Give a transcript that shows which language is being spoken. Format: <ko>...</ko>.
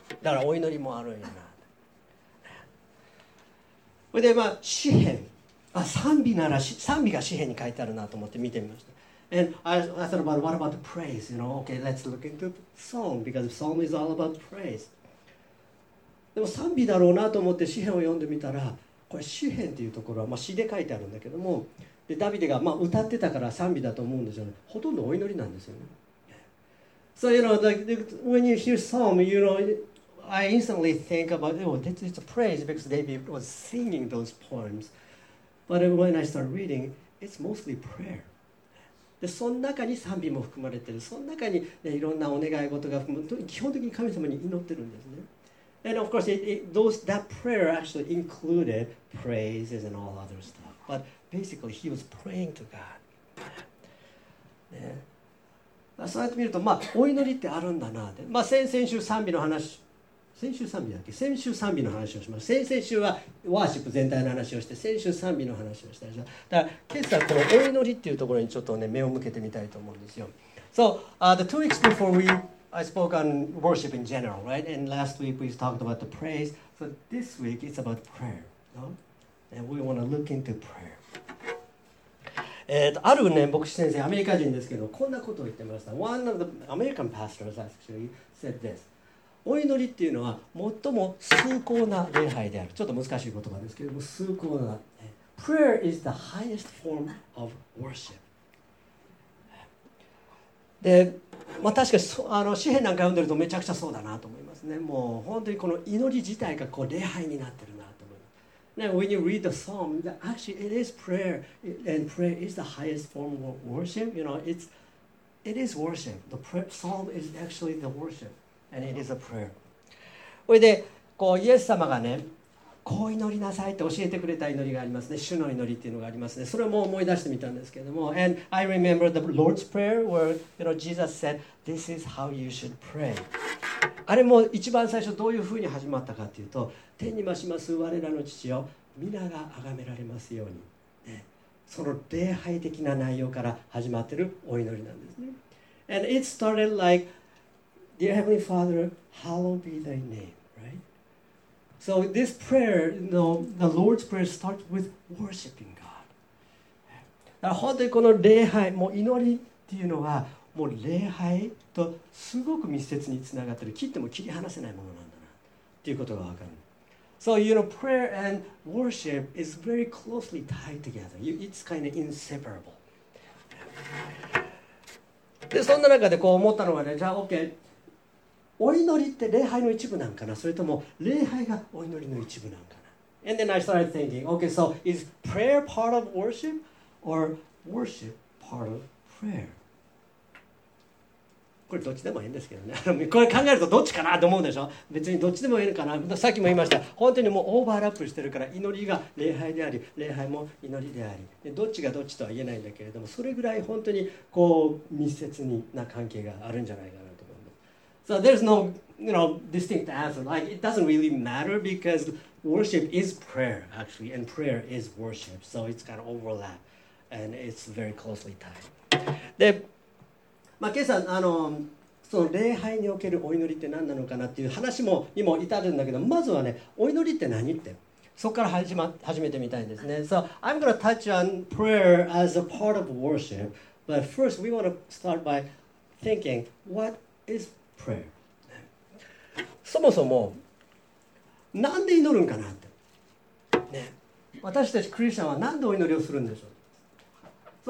<ja>だからお祈りもあるんやな。それでまあ詩編、あ賛美なら賛美が詩編に書いてあるなと思って見てみました。</ja> <en>And I thought about what about the praise, you know? Okay, let's look into psalm because psalm is all about praise.</en> <ja>でも賛美だろうなと思って詩編を読んでみたら。これ詩編っていうところは、まあ、詩で書いてあるんだけども、でダビデがまあ歌ってたから賛美だと思うんですよね。ほとんどお祈りなんですよね。</ja> <en>So you know, when you hear psalm, you know, I instantly think about, oh, this is a praise because David was singing those poems. But when I start reading, it's mostly prayer.</en> <ja>でその中に賛美も含まれてる。その中に、ね、いろんなお願い事が含まれてる。基本的に神様に祈ってるんですね。 And of course, that prayer actually included praises and all other stuff. But basically, he was praying to God. ね、そうやって見ると、まあ、お祈りってあるんだなって。まあ、先々週賛美の話をしました。先々週はワーシップ全体の話をして、先週賛美の話をしたでしょ。だから、今朝このお祈りっていうところにちょっとね、目を向けてみたいと思うんですよ。</ja> <en>So, the 2 weeks before weI spoke on worship in general, right? And last week we talked about the praise. So this week it's about prayer, no? And we want to look into prayer.</en> <ja>あるね、牧師先生、アメリカ人ですけど、こんなことを言ってました。</ja> <en>One of the American pastors actually said this.</en> <ja>お祈りっていうのは最も崇高な礼拝である。ちょっと難しい言葉ですけども、崇高な。</ja> <en>Prayer is the highest form of worship.</en> <ja>で、まあ、確かにあの詩編なんか読んでるとめちゃくちゃそうだなと思いますね。もう本当にこの祈り自体がこう礼拝になってるなと思います。</ja> <en>ね、When you read the psalm, actually it is prayer, and prayer is the highest form of worship. You know, it is worship. The psalm is actually the worship, and it is a prayer.</en> <ja>それでこうイエス様がね、こう祈りなさいって教えてくれた祈りがありますね。主の祈りっていうのがありますね。それも思い出してみたんですけれども、</ja> <en>And I remember the Lord's Prayer where, you know, Jesus said, "This is how you should pray."</en> <ja>あれも一番最初どういうふうに始まったかというと、天にまします我らの父よ、皆が崇められますように、ね、その礼拝的な内容から始まってるお祈りなんですね。</ja> <en>And it started like, "Dear Heavenly Father, hallowed be Thy name." Right? So this prayer, you know, the Lord's prayer starts with worshiping God.</en> <ja>だから本当にこの礼拝、もう祈りっていうのは、もう礼拝とすごく密接につながってる。切っても切り離せないものなんだなっていうことがわかる。</ja> <en>So you know, prayer and worship is very closely tied together. It's kind of inseparable.</en> <ja>で、そんな中でこう思ったのがね、じゃあ OK。お祈りって礼拝の一部なんかな、それとも礼拝がお祈りの一部なんかな。</ja> <en>And then I started thinking, okay, so is prayer part of worship or worship part of prayer?</en> <ja>これどっちでもいいんですけどね。これ考えるとどっちかなと思うでしょ。別にどっちでもいいかな。さっきも言いました。本当にもうオーバーラップしてるから祈りが礼拝であり、礼拝も祈りであり。でどっちがどっちとは言えないんだけれども、それぐらい本当にこう密接にな関係があるんじゃないかな。</ja> <en>So there's no, you know, distinct answer. Like, it doesn't really matter because worship is prayer, actually, and prayer is worship. So it's got overlap, and it's very closely tied.</en> <ja>で、まあ、今朝あの、その礼拝におけるお祈りって何なのかなっていう話もにも至るんだけど、まずはね、お祈りって何って、そこから始めてみたいんですね。</ja> <en>So I'm going to touch on prayer as a part of worship, but first we want to start by thinking, what is prayer? Prayer.</en> <ja>そもそもなんで祈るんかなって、ね、私たちクリスチャンは何でお祈りをするんでしょう。</ja>